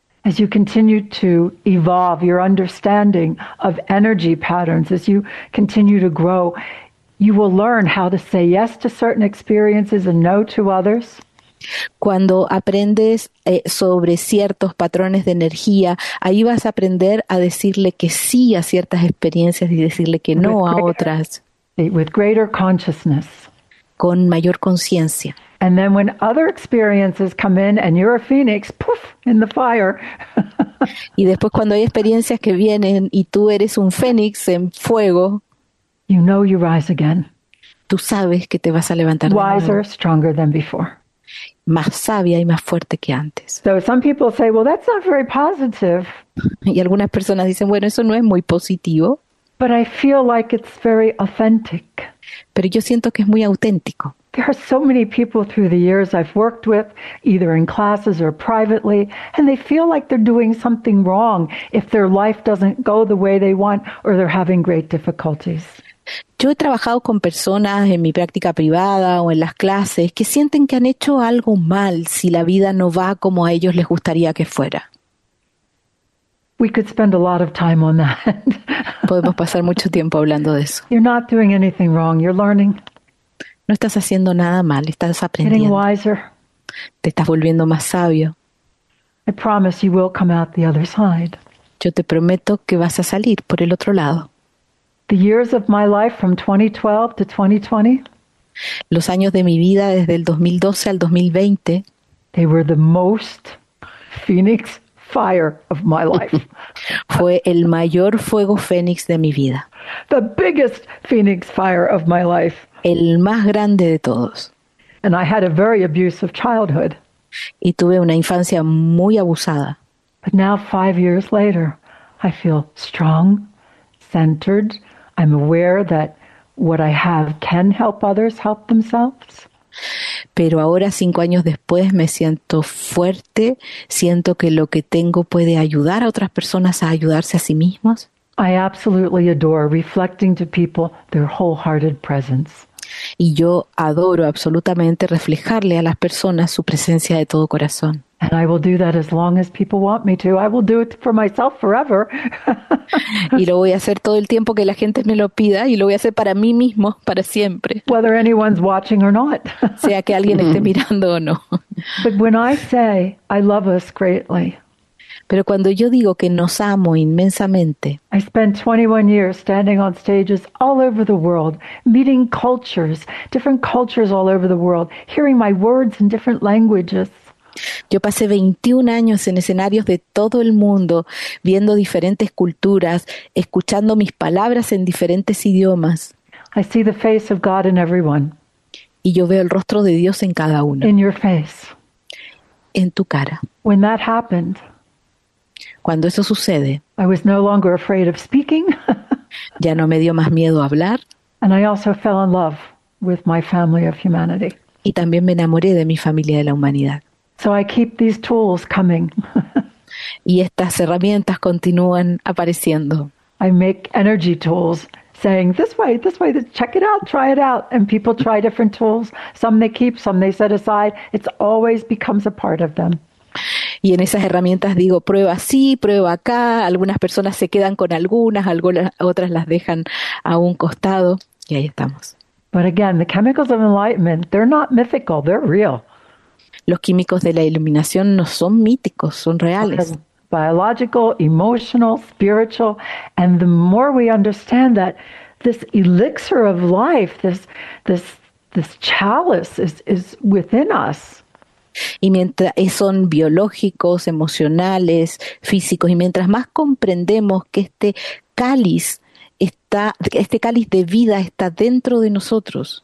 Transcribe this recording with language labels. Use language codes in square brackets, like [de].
[en] As you continue to evolve your understanding of energy patterns, as you continue to grow, you will learn how to say yes to certain experiences and no to others. [es] Cuando aprendes sobre ciertos patrones de energía, ahí vas a aprender a decirle que sí a ciertas experiencias y decirle que no a otras. [en] With greater consciousness. [es] Con mayor conciencia. [en] And then when other experiences come in and you're a phoenix, poof, in the fire. [es] Y después cuando hay experiencias que vienen y tú eres un fénix en fuego, [en] you know you rise again. [es] Tú sabes que te vas a levantar [en] wiser, [es] de nuevo. [en] Stronger than before. [es] Más sabia y más fuerte que antes. [en] So some people say, well, that's not very positive. [es] Y algunas personas dicen, bueno, eso no es muy positivo. [en] But I feel like it's very authentic. [es] Pero yo siento que es muy auténtico. [en] There are so many people through the years I've worked with, either in classes or privately, and they feel like they're doing something wrong if their life doesn't go the way they want or they're having great difficulties. [es] Yo he trabajado con personas en mi práctica privada o en las clases que sienten que han hecho algo mal si la vida no va como a ellos les gustaría que fuera. [en] We could spend a lot of time on that. [es] Podemos pasar mucho tiempo hablando de eso. [en] You're not doing anything wrong, you're learning. [es] No estás haciendo nada mal, estás aprendiendo. [en] Getting wiser. [es] Te estás volviendo más sabio. [en] I promise you will come out the other side. [es] Yo te prometo que vas a salir por el otro lado. [en] The years of my life from 2012 to 2020. [es] Los años de mi vida desde el 2012 al 2020. [en] They were the most phoenix fire of my life. [es] Fue el mayor fuego fénix de mi vida. [en] The biggest phoenix fire of my life. [es] El más grande de todos. [en] And I had a very abusive childhood. [es] Y tuve una infancia muy abusada. [en] But now 5 years later, I feel strong, centered. I'm aware that what I have can help others help themselves. [es] Pero ahora, 5 años después, me siento fuerte. Siento que lo que tengo puede ayudar a otras personas a ayudarse a sí mismos. [en] I absolutely adore reflecting to people their wholehearted presence. [es] Y yo adoro absolutamente reflejarle a las personas su presencia de todo corazón. [en] And I will do that as long as people want me to. I will do it for myself forever. [es] Y lo voy a hacer todo el tiempo que la gente me lo pida y lo voy a hacer para mí mismo, para siempre. [en] Whether anyone's watching or not. [es] Sea que alguien esté mirando o no. [en] But when I say I love us greatly. [es] Pero cuando yo digo que nos amo inmensamente. [en] I spent 21 years standing on stages all over the world, meeting cultures, different cultures all over the world, hearing my words in different languages. [es] Yo pasé 21 años en escenarios de todo el mundo, viendo diferentes culturas, escuchando mis palabras en diferentes idiomas. [en] I see the face of God in everyone. [es] Y yo veo el rostro de Dios en cada uno. [en] In your face. [es] En tu cara. [en] When that happened, [es] cuando eso sucede, [en] I was no longer afraid of speaking. [es] Ya no me dio más miedo hablar. [en] And I also fell in love with my family of humanity. [es] Y también me enamoré de mi familia de la humanidad. [en] So I keep these tools coming. [es] Y estas herramientas continúan apareciendo. [en] I make energy tools saying, this way, check it out, try it out. And people try different tools. Some they keep, some they set aside. It always becomes a part of them. [es] Y en esas herramientas digo, prueba sí, prueba acá. Algunas personas se quedan con algunas, otras las dejan a un costado. Y ahí estamos. [en] But again, the chemicals of enlightenment, they're not mythical, they're real. [es] Los químicos de la iluminación no son míticos, son reales. [en] Biological, emotional, spiritual, and the more we understand that this elixir of life, this chalice is within us. [es] Y mientras son biológicos, emocionales, físicos, y mientras más comprendemos que este cáliz de vida está dentro de nosotros.